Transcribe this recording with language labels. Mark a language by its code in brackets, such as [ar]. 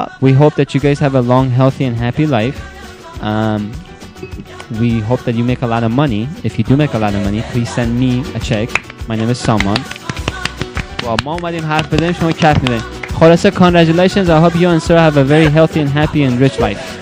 [en] We hope that you guys have a long, healthy and happy life. We hope that you make a lot of money. If you do make a lot of money, please send me a check. My name is Salman. [fa] Well, ما اومدیم حرف بزنیم شما کف میدین. خلاصه congratulations. [en] I hope you and Sarah have a very healthy and happy and rich life.